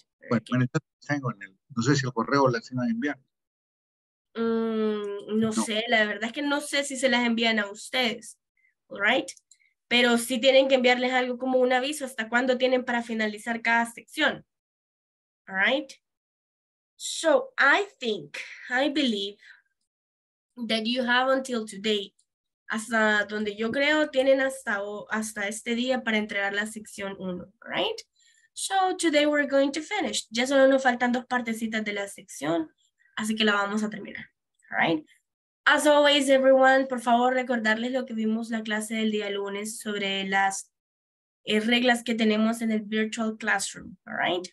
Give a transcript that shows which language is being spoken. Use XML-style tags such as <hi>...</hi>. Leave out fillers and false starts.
<es>No sé si el correo las iban a enviar. No sé, la verdad es que no sé si se las envían a ustedes,</es> <en>right?</en> <es>Pero sí tienen que enviarles algo como un aviso hasta cuándo tienen para finalizar cada sección,</es> <en>right? So I believe that you have until today.</en> <es>Hasta donde yo creo, tienen hasta este día para entregar la sección 1,</es> <en>right? So today we're going to finish.</en> <es>Ya solo nos faltan dos partecitas de la sección, así que la vamos a terminar,</es> <en>right? As always, everyone,</en> <es>por favor, recordarles lo que vimos la clase del día lunes sobre las reglas que tenemos en el virtual classroom,</es> <en>right?</en>